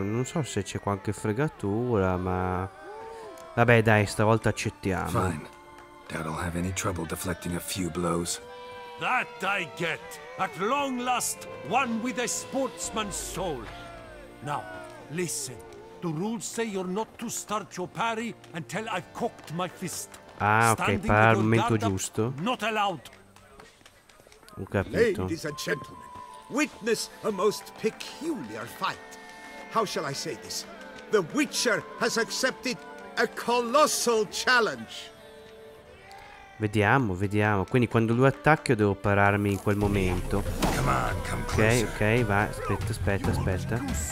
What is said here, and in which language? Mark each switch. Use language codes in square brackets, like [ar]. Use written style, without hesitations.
[it] Non so se c'è qualche fregatura, ma... Vabbè, dai, stavolta accettiamo. [en] Fine. Doubt I'll have any trouble deflecting a few blows. That I get. At long last, one with a sportsman's soul. Now, listen. The rules say you're not to start your parry until I've cocked my fist. [it] Ah, ok, parla al momento giusto. [en] Not allowed. [it] Ho capito. [en] Ladies and gentlemen, witness a most peculiar fight. How shall I say this? The Witcher has accepted a colossal challenge. [it] Vediamo, vediamo. Quindi quando lui attacca io devo pararmi in quel momento. [en] Come on, come [it] ok, ok, va. Aspetta, aspetta, aspetta.